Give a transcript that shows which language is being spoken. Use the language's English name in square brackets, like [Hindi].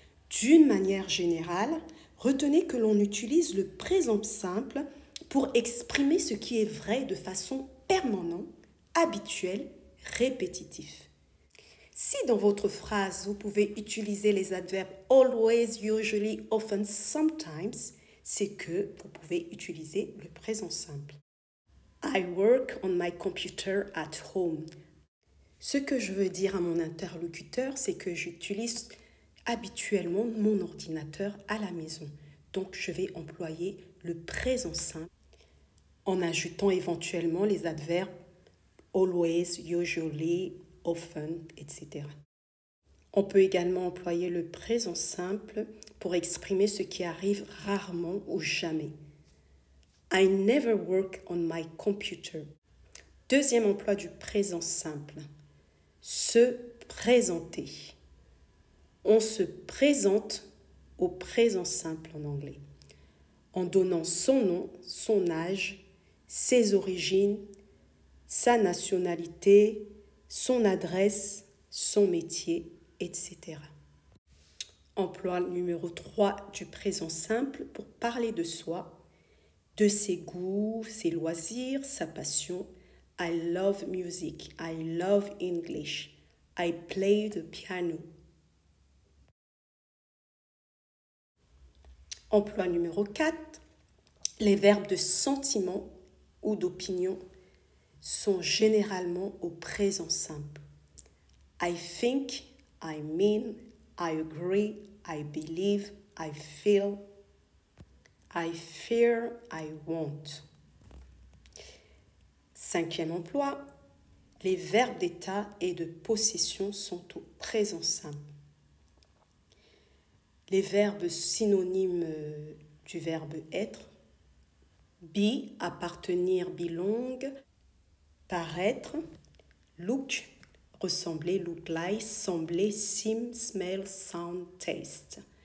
[French] D'une manière générale, retenez que l'on utilise le présent simple pour exprimer ce qui est vrai de façon permanente, habituelle, répétitive. Si dans votre phrase, vous pouvez utiliser les adverbes « [English] always, usually, often, sometimes [French] », c'est que vous pouvez utiliser le présent simple. [English] I work on my computer at home. [French] Ce que je veux dire à mon interlocuteur, c'est que j'utilise habituellement mon ordinateur à la maison. Donc, je vais employer le présent simple en ajoutant éventuellement les adverbes [English] always, usually, often, [French] etc. On peut également employer le présent simple pour exprimer ce qui arrive rarement ou jamais. [English] I never work on my computer. [French] Deuxième emploi du présent simple. Se présenter. On se présente au présent simple en anglais. En donnant son nom, son âge, ses origines, sa nationalité, son adresse, son métier, etc. Emploi numéro 3 du présent simple pour parler de soi. De ses goûts, ses loisirs, sa passion. [English] I love music. I love English. I play the piano. [French] Emploi numéro 4. Les verbes de sentiment ou d'opinion sont généralement au présent simple. [English] I think, I mean, I agree, I believe, I feel. I fear, I want. [French] Cinquième emploi, les verbes d'état et de possession sont au présent simple. Les verbes synonymes du verbe être, be, appartenir, belong, paraître, look, ressembler, look like, sembler, [English] seem, smell, sound, taste.